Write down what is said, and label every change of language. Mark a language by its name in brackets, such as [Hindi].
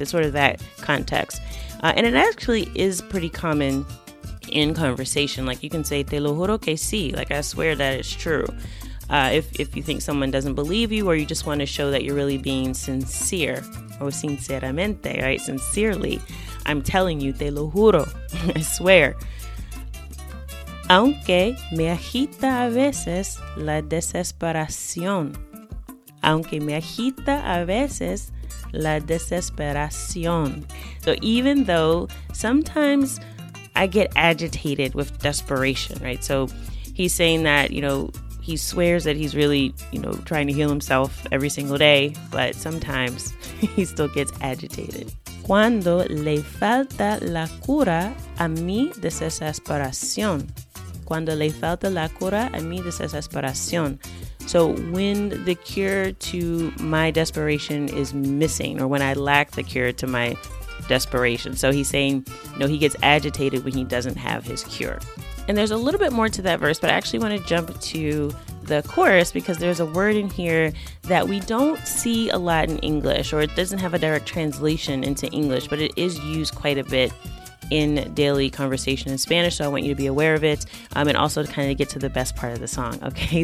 [English] It's sort of that context. And it actually is pretty common in conversation. Like, you can say, [Spanish] te lo juro que sí, [English] like, I swear that it's true. If you think someone doesn't believe you or you just want to show that you're really being sincere, [Spanish] o sinceramente, [English] right, sincerely, I'm telling you, [Spanish] te lo juro, [English] I swear. [Spanish] Aunque me agita a veces la desesperación. Aunque me agita a veces la desesperación. [English] So even though sometimes I get agitated with desperation, right? So he's saying that, you know, he swears that he's really, you know, trying to heal himself every single day, but sometimes he still gets agitated. Cuando le falta la cura a mi desesperación. Cuando le falta la cura a mi desesperación. So when the cure to my desperation is missing, or when I lack the cure to my desperation. So he's saying, you know, he gets agitated when he doesn't have his cure. And there's a little bit more to that verse, but I actually want to jump to the chorus because there's a word in here that we don't see a lot in English, or it doesn't have a direct translation into English, but it is used quite a bit in daily conversation in Spanish, so I want you to be aware of it, and also to kind of get to the best part of the song, okay?